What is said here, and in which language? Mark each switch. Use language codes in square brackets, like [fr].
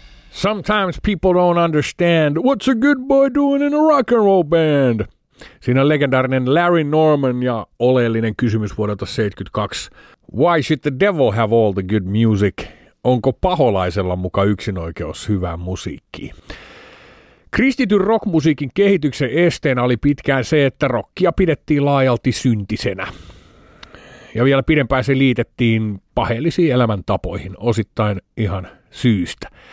[en] sometimes people don't understand, what's a good boy doing in a rock and roll band? [fi] Siinä on legendaarinen Larry Norman ja oleellinen kysymys vuodelta 72. [en] Why should the devil have all the good music? [fi] Onko paholaisella muka yksinoikeus hyvää musiikkia? Kristityn rockmusiikin kehityksen esteenä oli pitkään se, että rockia pidettiin laajalti syntisenä. Ja vielä pidempään se liitettiin paheellisiin elämäntapoihin, osittain ihan syystä.